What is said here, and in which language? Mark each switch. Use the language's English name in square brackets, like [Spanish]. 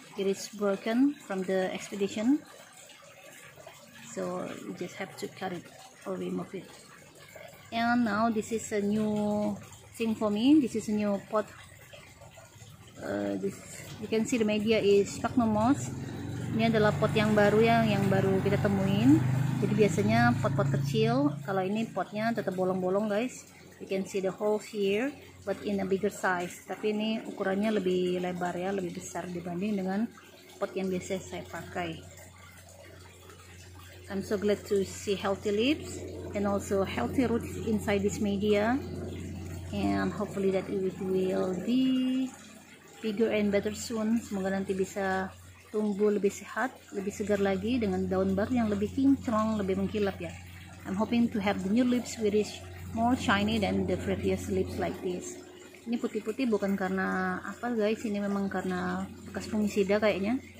[English] It is broken from the expedition, so we just have to cut it or remove it. And now this is a new thing for me. This is a new pot. This you can see the media is sphagnum moss. [Indonesian] Ini adalah pot yang baru ya, yang baru kita temuin. Jadi biasanya pot-pot kecil, kalau ini potnya tetap bolong-bolong guys. [English] You can see the holes here but in a bigger size. [Indonesian] Tapi ini ukurannya lebih lebar ya, lebih besar dibanding dengan pot yang biasa saya pakai. [English] I'm so glad to see healthy leaves and also healthy roots inside this media, and hopefully that it will be bigger and better soon. [Indonesian] Semoga nanti bisa tumbuh lebih sehat, lebih segar lagi dengan daun baru yang lebih kinclong, lebih mengkilap ya. [English] I'm hoping to have the new leaves which is more shiny than the previous leaves like this. [Indonesian] Ini putih-putih bukan karena apa guys, ini memang karena bekas fungisida kayaknya.